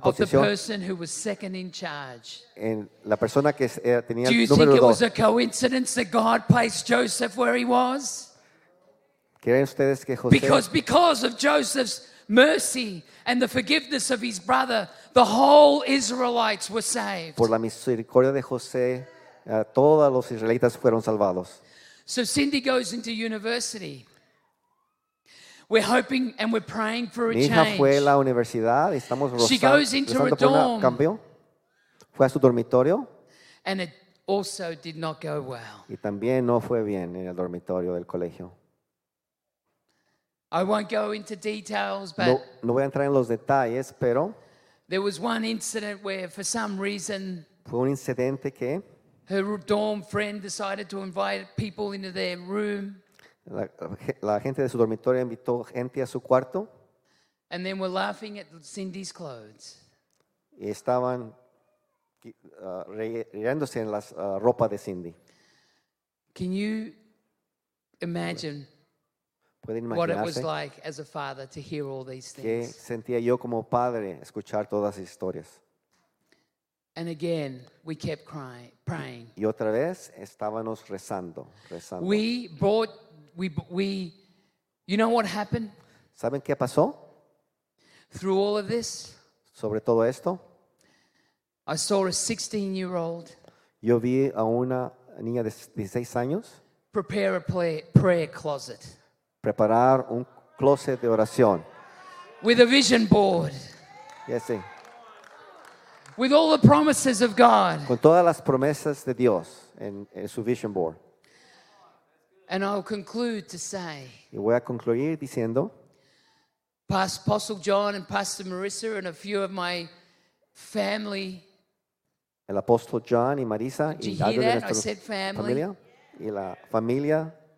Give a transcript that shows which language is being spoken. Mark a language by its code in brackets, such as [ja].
[en] of the person who was second in charge. [es] En la persona que era, tenía [en] Do you [es] el número [en] think it [es] dos. [en] Was a coincidence that God placed Joseph where he was? [es] ¿Creen ustedes que José? [en] Because of Joseph's mercy and the forgiveness of his brother, the whole Israelites were saved. [es] Por la misericordia de José, todos los israelitas fueron salvados. [en] So Cindy goes into university. We're hoping and we're praying for a change. [es] Mi hija fue a la universidad, estamos rezando. [en] She goes into a dorm. [es] Fue a su dormitorio. [en] And it also did not go well. [es] Y también no fue bien en el dormitorio del colegio. [en] I won't go into details, but [es] no voy a entrar en los detalles, pero [en] there was one incident where for some reason [es] fue un incidente que [en] her dorm friend decided to invite people into their room. [es] La gente de su dormitorio invitó gente a su cuarto. [en] And then we're laughing at Cindy's clothes. [es] Y estaban riéndose en las ropa de Cindy. [en] Can you imagine? [es] ¿Pueden imaginarse [en] what it was like as a father to hear all these things? [es] ¿Qué sentía yo como padre escuchar todas las historias? [en] And again, we kept crying, praying. [es] Y otra vez estábamos rezando. [en] You know what happened? [es] ¿Saben qué pasó? [en] Through all of this, [es] sobre todo esto, [en] I saw a 16-year-old. [es] Yo vi a una niña de 16 años. [en] Prepare a prayer closet. [es] Preparar un closet de oración. [en] With a vision board. Yes, [es] sí. [en] With all the promises of God. [es] Con todas las promesas de Dios en su vision board. [en] And I'll conclude to say. [es] Y voy a concluir diciendo. [en] Pastor John and Pastor Marissa and a few of my family. [es] El apóstol John y Marisa y algo de nuestra familia y la familia.